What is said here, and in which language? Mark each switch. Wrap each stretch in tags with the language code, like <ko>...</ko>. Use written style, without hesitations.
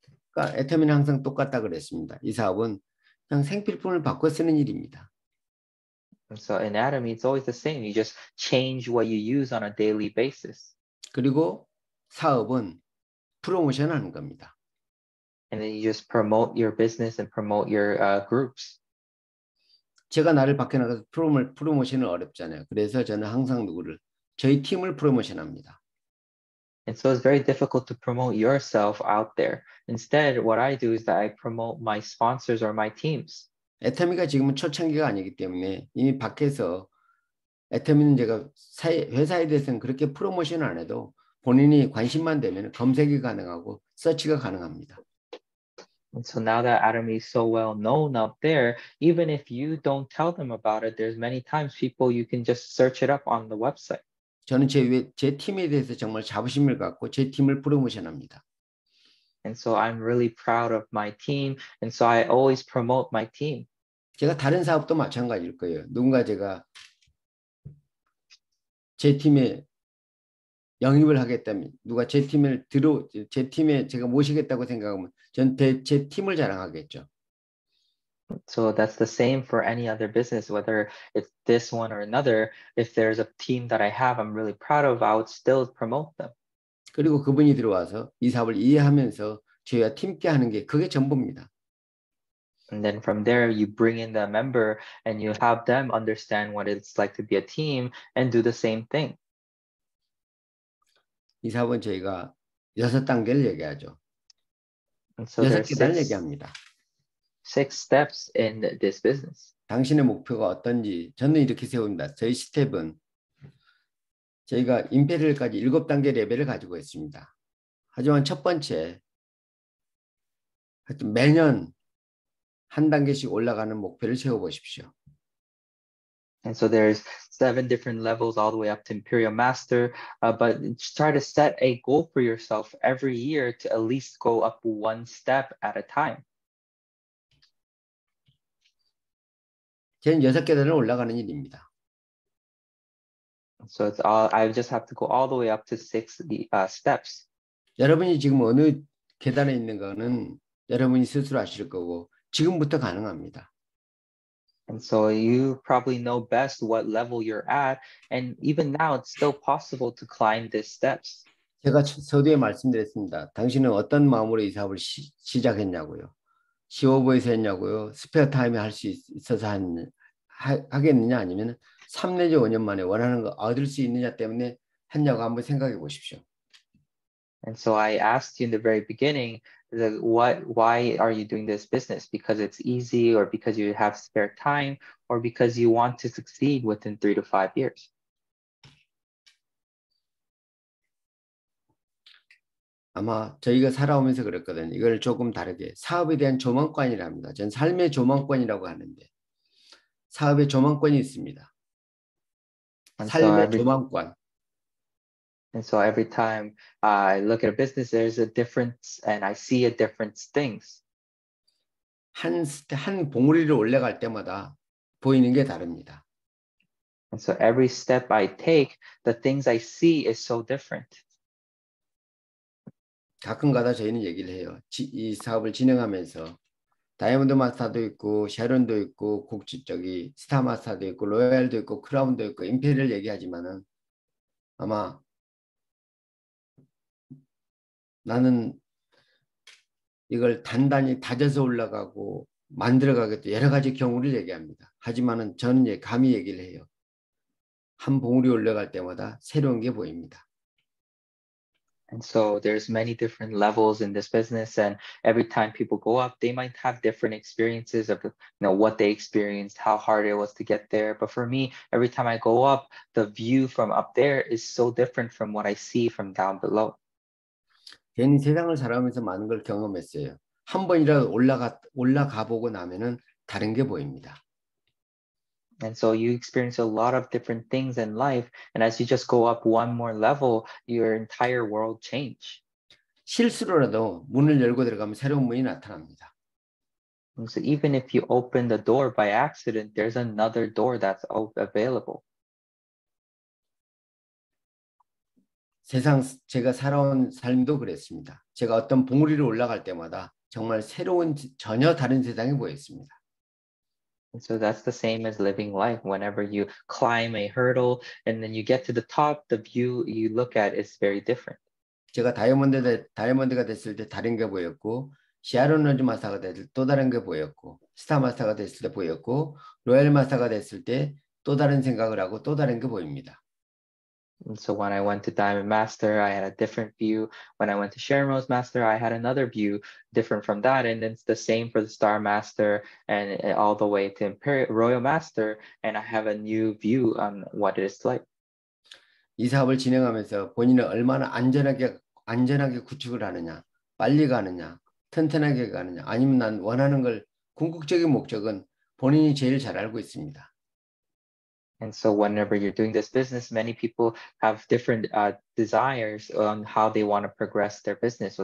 <ko>그러니까 애터미는 항상 똑같다 그랬습니다. 이 사업은 그냥 생필품을 바꿔 쓰는 일입니다.</ko> <en>And so in Atomy, it's always the same. You just change what you use on a daily basis.</en> <ko>그리고 사업은 프로모션 하는 겁니다.</ko> <en>And then you just promote your business and promote your groups.</en> <ko>제가 나를 밖에 나가서 프로모션을 어렵잖아요. 그래서 저는 항상 누구를? 저희 팀을 프로모션합니다.</ko> <en>And so it's very difficult to promote yourself out there. Instead, what I do is that I promote my sponsors or my teams.</en> <ko>애터미가 지금은 초창기가 아니기 때문에 이미 밖에서 애터미는 제가 회사에 대해서는 그렇게 프로모션을 안 해도 본인이 관심만 되면 검색이 가능하고 서치가 가능합니다.</ko> <en>And so now that Atomy is so well known out there, even if you don't tell them about it, there's many times people you can just search it up on the website.</en> <ko>저는 제 팀에 대해서 정말 자부심을 갖고 제 팀을 프로모션합니다.</ko> <en>And so I'm really proud of my team, and so I always promote my team.</en> <ko>제가 다른 사업도 마찬가지일 거예요. 누군가 제가 제 팀에 영입을 하겠다면 누가 제 팀을 들어 제 팀에 제가 모시겠다고 생각하면 전 제 팀을 자랑하겠죠.</ko> <en>So that's the same for any other business, whether it's this one or another. If there's a team that I have, I'm really proud of, I would still promote them.</en> <ko>그리고 그분이 들어와서 이 사업을 이해하면서 저희와 팀께 하는 게 그게 전부입니다.</ko> <en>And then from there, you bring in the member and you have them understand what it's like to be a team and do the same thing.</en> <ko>이 사업은 저희가 여섯 단계를 얘기하죠.</ko> <en>So</en> <ko>여섯 계단을 얘기합니다.</ko> <en>Six steps in this business.</en> <ko>당신의 목표가 어떤지 저는 이렇게 세웁니다. 저희 스텝은 저희가 임페리얼까지 일곱 단계 레벨을 가지고 있습니다. 하지만 첫 번째, 하여튼 매년 한 단계씩 올라가는 목표를 세워보십시오.</ko> <en>And so there's seven different levels all the way up to Imperial Master, but try to set a goal for yourself every year to at least go up one step at a time.</en> <ko>제는 여섯 계단을 올라가는 일입니다.</ko> <en>So it's all, I just have to go all the way up to six steps.</en> <ko>여러분이 지금 어느 계단에 있는가는 여러분이 스스로 아실 거고 지금부터 가능합니다.</ko> <en>And so you probably know best what level you're at, and even now it's still possible to climb these steps.</en> <ko>제가 서두에 말씀드렸습니다. 당신은 어떤 마음으로 이 사업을 시작했냐고요. 쉬워 보여서 했냐고요. 스페어 타임에 할 수 있어서 하겠느냐 아니면 3 내지 5년 만에 원하는 거 얻을 수 있느냐 때문에 했냐고 한번 생각해 보십시오.</ko> <en>And so I asked you in the very beginning, why are you doing this business? Because it's easy or because you have spare time or because you want to succeed within 3 to 5 years?</en> <ko>아마 저희가 살아오면서 그랬거든요. 이걸 조금 다르게 사업에 대한 조망권이라 합니다. 전 삶의 조망권이라고 하는데 사업에 조망권이 있습니다. 삶의 조망권.</ko> <en>And so every time I look at a business, there's a difference, and I see a different things.</en> <ko>한 봉우리를 올라갈 때마다 보이는 게 다릅니다.</ko> <en>And so every step I take, the things I see is so different.</en> <ko>가끔가다 저희는 얘기를 해요. 이 사업을 진행하면서 다이아몬드 마스터도 있고, 샤론도 있고, 국지적이 스타 마스터도 있고, 로얄도 있고, 크라운도 있고, 임페리얼 얘기하지만은 아마 나는 이걸 단단히 다져서 올라가고 만들어 가겠다 여러 가지 경우를 얘기합니다. 하지만은 저는 이제 감히 얘기를 해요. 한 봉우리 올라갈 때마다 새로운 게 보입니다.</ko> <en>And so there's many different levels in this business, and every time people go up, they might have different experiences of, you know, what they experienced, how hard it was to get there. But for me, every time I go up, the view from up there is so different from what I see from down below.</en> <ko>괜히 세상을 살아가면서 많은 걸 경험했어요. 한 번이라도 올라가 보고 나면은 다른 게 보입니다.</ko> <en>And so you experience a lot of different things in life, and as you just go up one more level, your entire world change.</en> <ko>실수로라도 문을 열고 들어가면 새로운 문이 나타납니다.</ko> <en>And so even if you open the door by accident, there's another door that's available.</en> <ko>세상 제가 살아온 삶도 그랬습니다. 제가 어떤 봉우리를 올라갈 때마다 정말 새로운 전혀 다른 세상이 보였습니다.</ko> <en>And so that's the same as living life. Whenever you climb a hurdle and then you get to the top, the view you look at is very different.</en> <ko>제가 다이아몬드가 됐을 때 다른 게 보였고, 시아로노즈 마스터가 됐을 때 또 다른 게 보였고, 스타 마스터가 됐을 때 보였고, 로얄 마스터가 됐을 때 또 다른 생각을 하고 또 다른 게 보입니다.</ko> <en>And so when I went to Diamond Master, I had a different view. When I went to Sharon's Master, I had another view different from that. And then it's the same for the Star Master and all the way to Imperial Royal Master. And I have a new view on what it is like.</en> <ko>이 사업을 진행하면서 본인은 얼마나 안전하게 구축을 하느냐, 빨리 가느냐, 튼튼하게 가느냐, 아니면 난 원하는 걸 궁극적인 목적은 본인이 제일 잘 알고 있습니다.</ko> <en>And so whenever you're doing this business, many people have different desires on how they want to progress their business.</en>